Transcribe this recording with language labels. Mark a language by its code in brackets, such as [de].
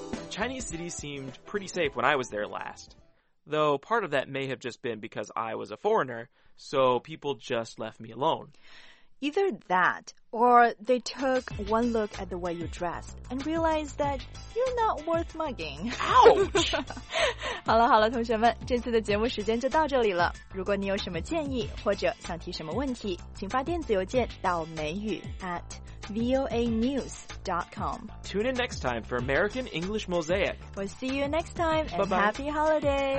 [en] Chinese city seemed pretty safe when I was there last. Though part of that may have just been because I was a foreigner, so people just left me alone. Either that, or they took one look at the way you dressed and realized that you're not worth mugging. Ouch! [zh] 好了好了，同学们，这次的节目时间就到这里了。如果你有什么建议或者想提什么问题，请发电子邮件到美语 @voanews.com. [en] Tune in next time for American English Mosaic. We'll see you next time and、Bye-bye. Happy holidays!